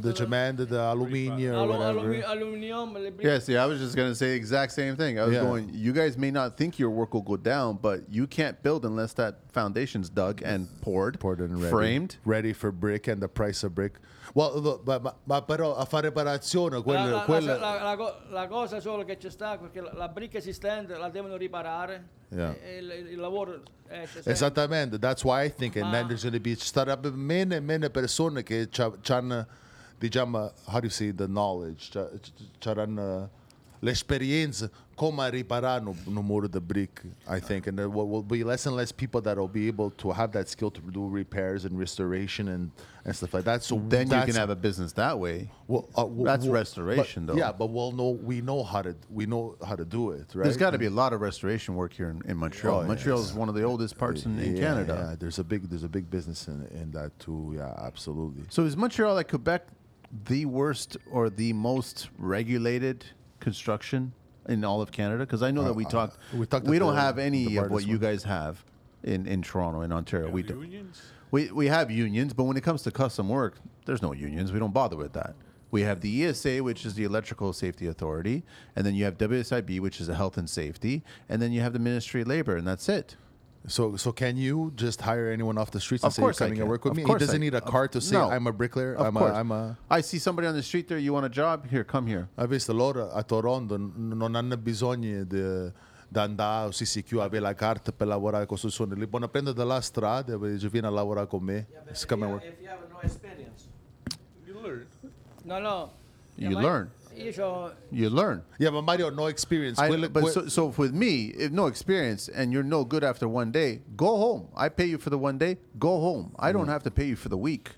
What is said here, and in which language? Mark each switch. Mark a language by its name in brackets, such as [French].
[English] The cement, the aluminium, or whatever. Aluminium. Yeah, see, I was just going to say the exact same thing. I was going, you guys may not think your work will go down, but you can't build unless that foundation's dug and poured. Poured and ready. Framed. Ready for brick and the price of brick. Well, look, but [Italian] però a fare riparazione, la cosa solo che c'è sta perché la brick esistente la devono riparare. [English] Yeah. [Italian] Il lavoro esce esattamente. [English] That's why I think, and then there's going to be [Italian] starebbe meno e meno persone che c'hanno, diciamo, [English] how do you say, the knowledge, [Italian] c'hanno l'esperienza come riparare un muro di brick. [English] I think, and there will be less and less people that will be able to have that skill to do repairs and restoration and stuff like that. So then that's, you can have a business that way. Restoration, but, though. Yeah, but we know how to do it. Right. There's got to be a lot of restoration work here in Montreal. Oh, Montreal is one of the oldest parts in Canada. Yeah, there's a big business in that too. Yeah, absolutely. So is Montreal like Quebec the worst or the most regulated construction in all of Canada? Because I know that we talked. We don't have any of what you guys have in Toronto and Ontario. We have unions. We have unions, but when it comes to custom work, there's no unions. We don't bother with that. We have the ESA, which is the Electrical Safety Authority, and then you have WSIB, which is the Health and Safety, and then you have the Ministry of Labor, and that's it. So can you just hire anyone off the streets and say you're coming to work with me? He doesn't need a car to say I'm a bricklayer. I see somebody on the street there. You want a job? Here, come here. [Italian] Ho visto loro a Toronto non hanno bisogno di andare o CCQ avere la carta per lavorare con costruzione. Li vanno a prendere dalla strada e ci viene a lavorare con me. [English] If you have no experience, you learn. No. You learn. You learn. Yeah, but Mario, no experience. So with me, if no experience and you're no good after one day, go home. I pay you for the one day. Go home. I don't have to pay you for the week.